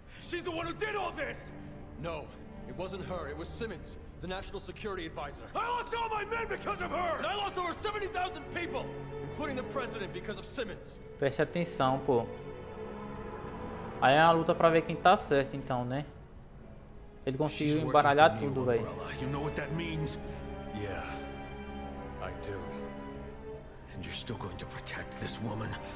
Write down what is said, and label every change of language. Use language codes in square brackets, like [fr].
[en] She's the one who did all this. No, it wasn't her. It was Simmons, the National Security Advisor. I lost all my men because of her. And I lost over 70,000 people, including the president, because of Simmons. [pt] Preste atenção, pô. Aí é uma luta para ver quem tá certo, então, né? Ele conseguiu embaralhar tudo, velho. [en] You know what that means? Yeah, I do. You're still going to protect this woman.